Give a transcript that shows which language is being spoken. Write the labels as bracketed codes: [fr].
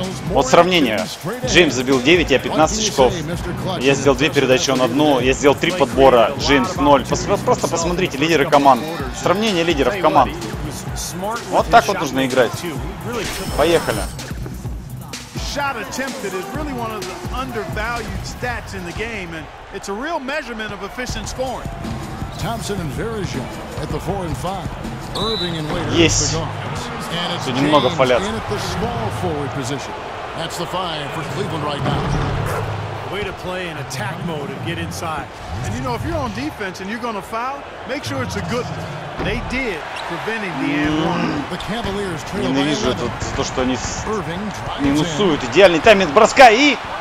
[ru] Вот сравнение. Джеймс забил 9, я 15 очков. Я сделал 2 передачи, он 1. Я сделал 3 подбора, Джеймс 0. Просто посмотрите, лидеры команд. Сравнение лидеров команд. Вот так вот нужно играть. Поехали. [en] Shot attempted is really one of the undervalued stats in the game, and it's a real measurement of efficient scoring. Thompson and Verizon at the 4 and 5. Irving and Waiters. Yes. And it's James in at the small forward position. That's the 5 for Cleveland right now. Way to play in attack mode and get inside. And you know, if you're on defense and you're going to foul, make sure it's a good one. They did, preventing the end. [ru] Ненавижу это, то, что они минусуют. Идеальный тайминг броска и...